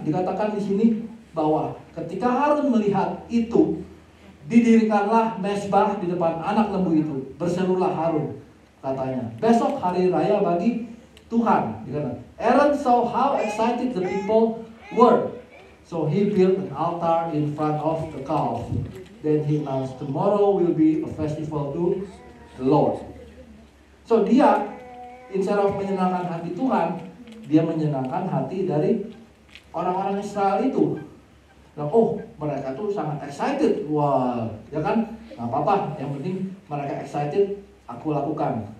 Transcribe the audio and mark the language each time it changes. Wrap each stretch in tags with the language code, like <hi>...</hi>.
<id>Dikatakan di sini bahwa ketika Harun melihat itu, didirikanlah mesbah di depan anak lembu itu. Berserulah Harun, katanya, "Besok hari raya bagi Tuhan."</id> <en>Dikatakan, Aaron saw how excited the people were, so he built an altar in front of the calf. Then he announced, "Tomorrow will be a festival to the Lord."</en> <id>So dia, instead of menyenangkan hati Tuhan, dia menyenangkan hati dari orang-orang Israel itu. Nah, oh, mereka tuh sangat excited. Wah, ya kan? Nggak apa-apa, yang penting mereka excited, aku lakukan.</id>